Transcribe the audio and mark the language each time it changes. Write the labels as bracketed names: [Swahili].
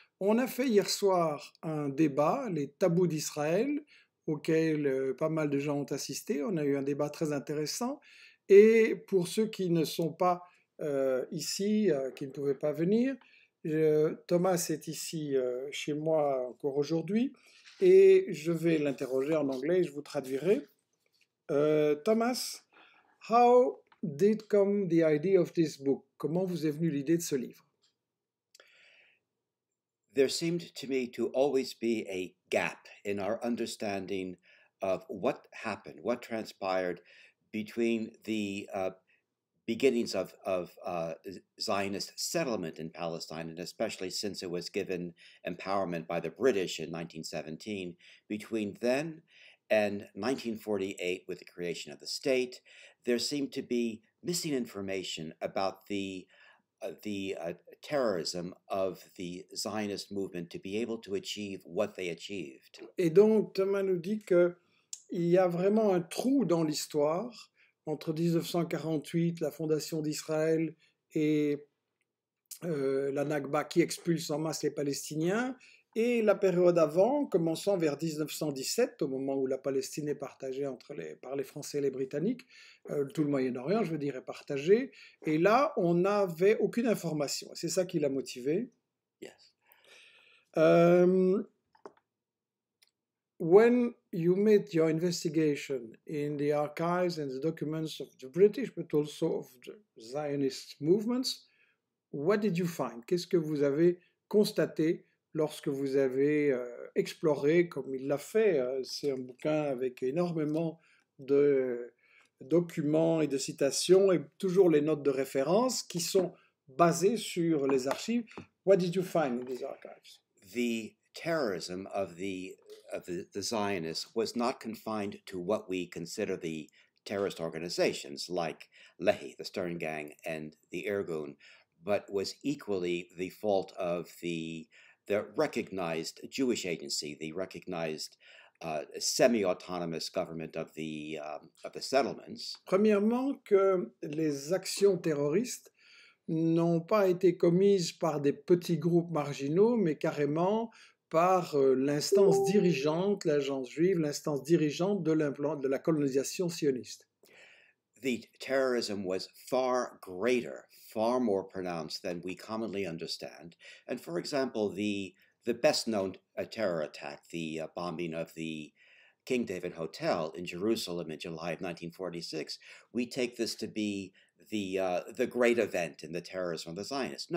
[French] On a fait hier soir un débat, les tabous d'Israël, auquel pas mal de gens ont assisté. On a eu un débat très intéressant. Et pour ceux qui ne sont pas ici, qui ne pouvaient pas venir, Thomas est ici chez moi encore aujourd'hui et je vais l'interroger en anglais et je vous traduirai. [English] Thomas, how did come the idea of this book? [French] Comment vous est venue l'idée de ce livre? [English] There seemed to me to always be a gap in our understanding of what happened, what transpired between the beginnings of Zionist settlement in Palestine, and especially since it was given empowerment by the British in 1917, between then and 1948 with the creation of the state. There seemed to be missing information about the terrorism of the Zionist movement to be able to achieve what they achieved. [French] Et donc, Thomas nous dit qu'il y a vraiment un trou dans l'histoire entre 1948, la fondation d'Israël, et la Nakba qui expulse en masse les Palestiniens, et la période avant, commençant vers 1917, au moment où la Palestine est partagée par les Français et les Britanniques, tout le Moyen-Orient, je veux dire, est partagé. Et là, on n'avait aucune information. C'est ça qui l'a motivé. [English] Yes. When you made your investigation in the archives and the documents of the British, but also of the Zionist movements. What did you find? [French] Qu'est-ce que vous avez constaté lorsque vous avez exploré, comme il l'a fait? C'est un bouquin avec énormément de documents et de citations, et toujours les notes de référence qui sont basées sur les archives. [English] What did you find in these archives? The terrorism of the Zionists was not confined to what we consider the terrorist organizations, like Lehi, the Stern Gang, and the Irgun, but was equally the fault of the recognized Jewish agency, the recognized semi-autonomous government of the settlements. Premièrement, que les actions terroristes n'ont pas été commises par des petits groupes marginaux, mais carrément par l'instance dirigeante, l'agence juive, l'instance dirigeante de l'implant de la colonisation sioniste. The terrorism was far greater, far more pronounced than we commonly understand. And for example, the best known terror attack, the bombing of the King David Hotel in Jerusalem in July of 1946, we take this to be the great event in the terrorism of the Zionists.